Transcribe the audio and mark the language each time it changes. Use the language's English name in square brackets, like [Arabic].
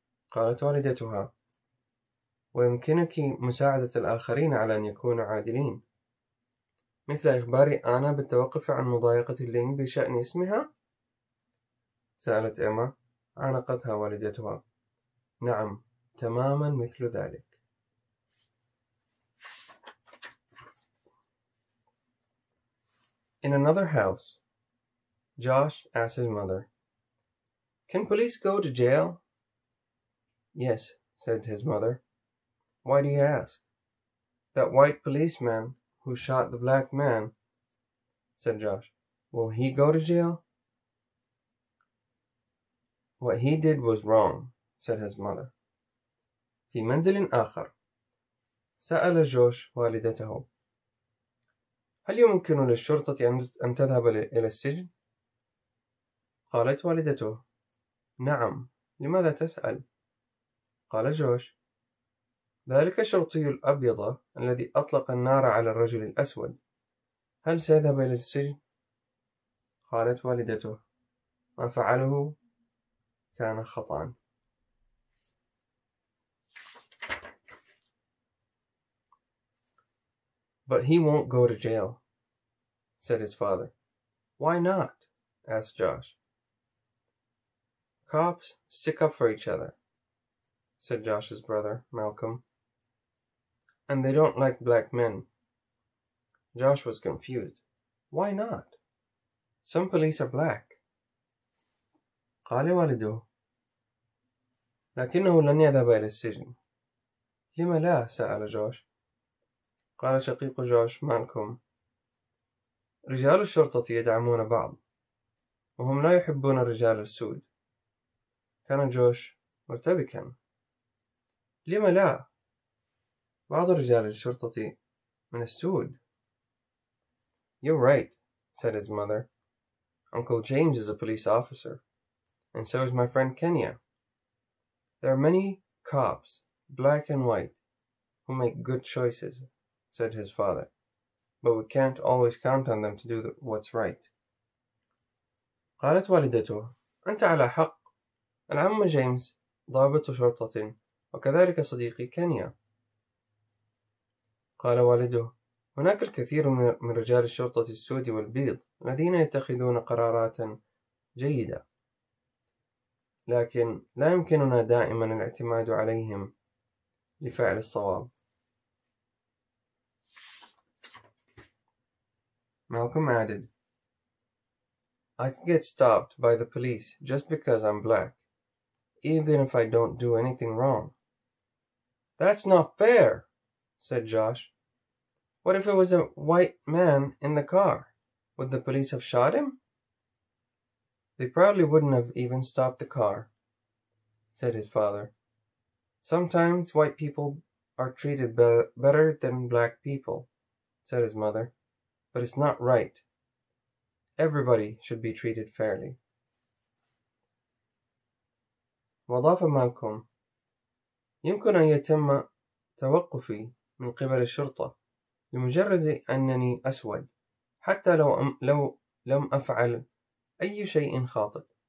[Arabic] قالت والدتها ويمكنك مساعدة الآخرين على أن يكونوا عادلين مثل إخبار آنا بالتوقف عن مضايقة لينغ بشأن اسمها؟ سألت إما عانقتها والدتها نعم تماما مثل ذلك [English] In another house, Josh asked his mother, Can police go to jail? Yes, said his mother. Why do you ask? That white policeman who shot the black man, said Josh. Will he go to jail? What he did was wrong, said his mother. [Arabic] في منزل آخر سأل جوش والدته هل يمكن للشرطة أن تذهب إلى السجن؟ قالت والدته نعم، لماذا تسأل؟ قال جوش ذلك الشرطي الأبيض الذي أطلق النار على الرجل الأسود هل سيذهب إلى السجن؟ قالت والدته ما فعله كان خطأ [English] But he won't go to jail said his father Why not? Asked Josh Cops stick up for each other said Josh's brother, Malcolm. And they don't like black men. Josh was confused. Why not? Some police are black. [Arabic] قال والده لكنه لن يذهب إلى السجن. لما لا؟ سأل جوش. قال شقيق جوش مالكوم: رجال الشرطة يدعمون بعض، وهم لا يحبون الرجال السود. كان جوش مرتبكا. لما لا؟ بعض رجال الشرطة من السود. [English] You're right, said his mother. Uncle James is a police officer, and so is my friend Kenya. There are many cops, black and white, who make good choices, said his father, but we can't always count on them to do what's right. [Arabic] قالت والدته: أنت على حق. العم جيمس ضابط شرطة، وكذلك صديقي كينيا. قال والده: هناك الكثير من رجال الشرطة السود والبيض الذين يتخذون قرارات جيدة، لكن لا يمكننا دائما الاعتماد عليهم لفعل الصواب. [English] Malcolm added, I could get stopped by the police just because I'm black, even if I don't do anything wrong. That's not fair, said Josh. What if it was a white man in the car? Would the police have shot him? They probably wouldn't have even stopped the car, said his father. Sometimes white people are treated better than black people, said his mother. But it's not right. Everybody should be treated fairly. [Arabic] وأضاف مالكوم: يمكن أن يتم توقفي من قبل الشرطة لمجرد أنني أسود، حتى لو لم أفعل أي شيء خاطئ.